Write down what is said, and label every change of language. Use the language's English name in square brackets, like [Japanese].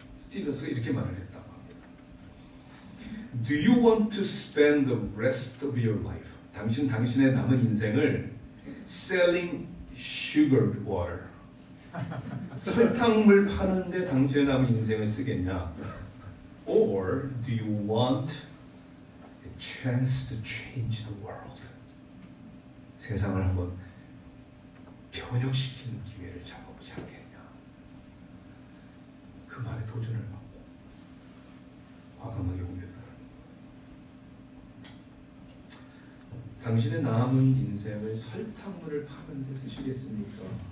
[Korean] 스티브 잡스가 이렇게 말을 했다고 합니다. [English] Do you want to spend the rest of your life? [Korean] 당신의 남은 인생을 [English] selling sugared water. [Korean] 설탕물 파는데 당신의 남은 인생을 쓰겠냐? [English] Or do you want a chance to change the world? [Korean] 세상을 한번 변혁시키는 기회를 잡아보지 않겠냐? 그 말에 도전을 받고 과감하게 옮겼다는 거예요. 당신의 남은 인생을 설탕물을 파는 데 쓰시겠습니까?